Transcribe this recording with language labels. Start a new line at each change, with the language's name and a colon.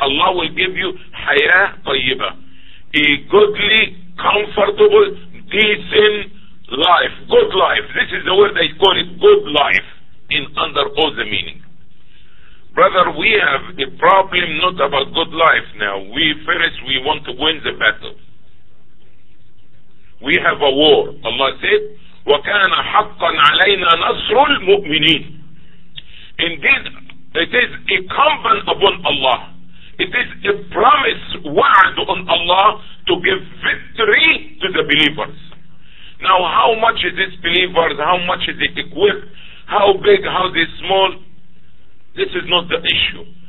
English: Allah will give you haya tayyiba, a goodly, comfortable, decent life, good life. This is the word they call it, good life, in under all the meaning. Brother, we have a problem not about good life now. We first, we want to win the battle. We have a war. Allah said,
Arabic: وَكَانَ حَقًّا عَلَيْنَا نَصْرُ الْمُؤْمِنِينَ.
English: Indeed, it is incumbent upon Allah. It is a promise, wa'ad on Allah to give victory to the believers. Now, how much is this believers? How much is it equipped? How big? How this small? This is not the issue.